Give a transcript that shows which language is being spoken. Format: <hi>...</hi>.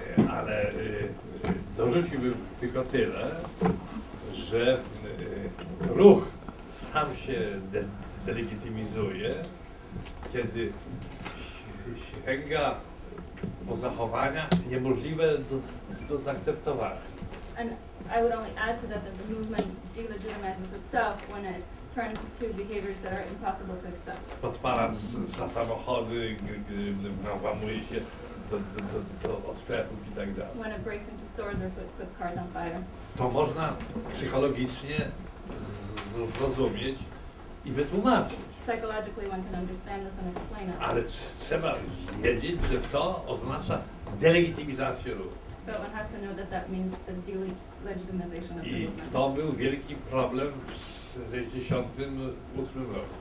<pl>Ale dorzuciłbym tylko tyle, że ruch sam się delegitymizuje, kiedy sięga po zachowania niemożliwe do zaakceptowania.</pl> <en>And I would only add to that the movement delegitimizes itself when it turns to behaviors that are impossible to accept.</en> <pl>Podpala za samochody, włamuje się do sklepów i tak dalej.</pl> <en>When it breaks into stores or puts cars on fire.</en> <pl>To można psychologicznie zrozumieć i wytłumaczyć.</pl> <en>Psychologically one can understand this and explain it.</en> <pl>Ale trzeba wiedzieć, że to oznacza delegitymizację ruchu.</pl> <en>But one has to know that that means the delegitimization of the movement.</en> <pl>I to był wielki problem w 68 roku.</pl>